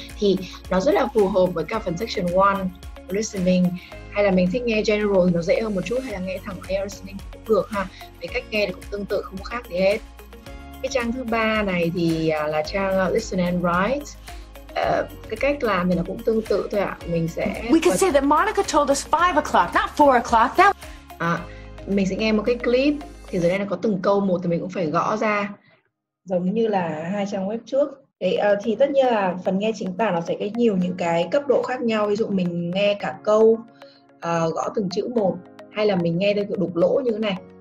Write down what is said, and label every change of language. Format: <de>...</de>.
<vi>Thì nó rất là phù hợp với cả phần section 1 listening. Hay là mình thích nghe general thì nó dễ hơn một chút, hay là nghe thẳng IELTS listening cũng được ha. Cái cách nghe thì cũng tương tự, không khác gì hết. Cái trang thứ ba này thì là trang listen and write. Cái cách làm thì nó cũng tương tự thôi ạ. Mình sẽ</vi> <en>We can say that Monica told us 5 o'clock, not 4 o'clock. That...</en> <vi>Mình sẽ nghe một cái clip thì dưới đây nó có từng câu một thì mình cũng phải gõ ra giống như là hai trang web trước. Thì tất nhiên là phần nghe chính tả nó sẽ có nhiều những cái cấp độ khác nhau. Ví dụ mình nghe cả câu, gõ từng chữ một, hay là mình nghe theo kiểu đục lỗ như thế này.</vi>